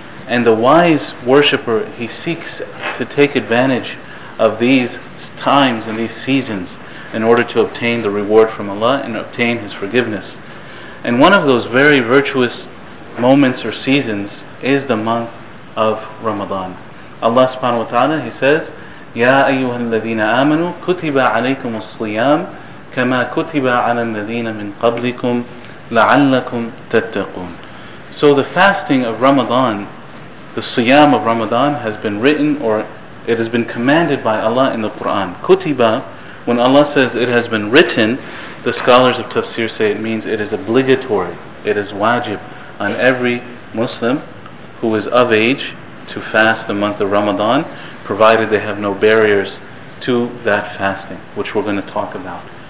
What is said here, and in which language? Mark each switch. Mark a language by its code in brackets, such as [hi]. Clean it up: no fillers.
[en] And the wise worshipper, he seeks to take advantage of these times and these seasons in order to obtain the reward from Allah and obtain His forgiveness. And one of those very virtuous moments or seasons is the month of Ramadan. [ar] Allah subhanahu wa ta'ala, [en] He says, [ar] يَا أَيُّهَا الَّذِينَ آمَنُوا كُتِبَ عَلَيْكُمُ الصِّيَامُ كَمَا كُتِبَ عَلَى الَّذِينَ مِنْ قَبْلِكُمْ لَعَلَّكُمْ تَتَّقُونَ. [en] So the fasting of Ramadan, the siyam of Ramadan, has been written, or it has been commanded by Allah in the Qur'an. كُتِبَ, when Allah says it has been written, the scholars of tafsir say it means it is obligatory, it is wajib on every Muslim who is of age to fast the month of Ramadan, provided they have no barriers to that fasting, which we're going to talk about.